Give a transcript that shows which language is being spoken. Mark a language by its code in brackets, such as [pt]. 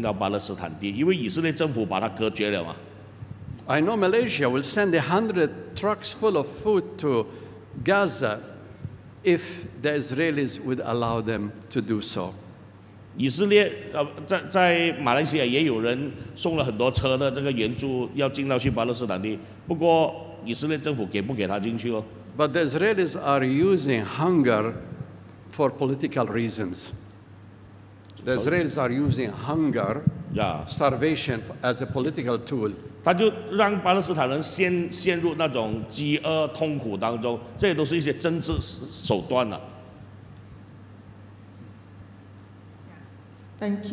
[zh] 有没有一些非政府组织是支持巴勒斯坦难民的呢？牧师的回答是：事实上，全世界有好多人、好多地方都支持巴勒斯坦难民。不过，很多时候那些援助没有办法真正进到巴勒斯坦地，因为以色列政府把它隔绝了嘛。 [en] I know Malaysia will send 100 trucks full of food to Gaza if the Israelis would allow them to do so. [zh] 以色列在马来西亚也有人送了很多车的这个援助要进到去巴勒斯坦地，不过以色列政府给不给他进去咯？ [en] But the Israelis are using hunger for political reasons. The Israelis are using hunger, starvation as a political tool. [zh] 他就让巴勒斯坦人陷入那种饥饿痛苦当中，这都是一些政治手段了。 [en] Thank